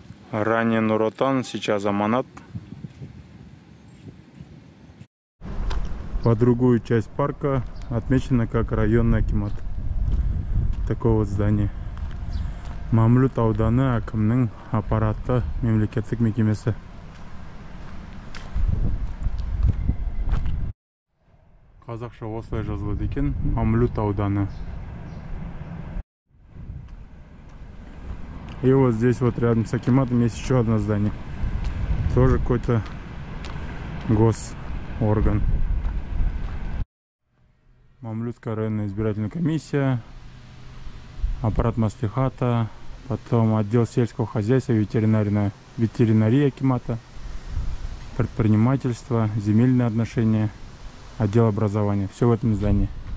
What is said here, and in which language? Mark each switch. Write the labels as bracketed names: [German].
[Russian] Ранее Нур-Отан, сейчас Аманат. По другую часть парка отмечена как районный акимат такого здания. [Kazakh] Мамлют ауданы акимның аппараты мемлекеттік мекемесі. Қазақша осылай жазылады екен, Мамлют ауданы. [Russian] И вот здесь вот рядом с акиматом есть еще одно здание. Тоже какой-то госорган. Мамлютская районная избирательная комиссия, аппарат маслихата, потом отдел сельского хозяйства, ветеринария акимата, предпринимательство, земельные отношения, отдел образования. Все в этом здании.